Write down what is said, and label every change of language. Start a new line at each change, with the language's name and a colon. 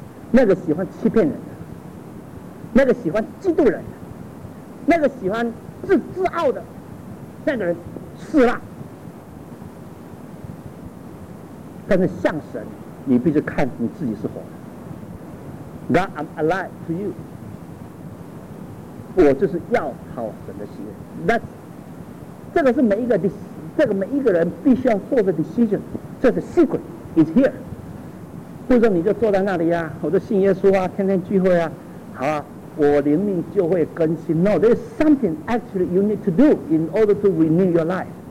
Chinese: 那个喜欢欺骗人的，那个喜欢嫉妒人的，那个喜欢自傲的那个人死了。但是向神你必须看你自己是活的。
English: God, I'm alive to you，
Chinese: 我就是要讨神的喜悦。 That 这个是每一个每一个人必须要做的 decision。这是
English: secret is here。
Chinese: 或者你就坐在那里啊，我就信耶稣啊，天天聚会啊，好啊，我灵命就会更新。
English: No, there is something actually you need to do in order to renew your life.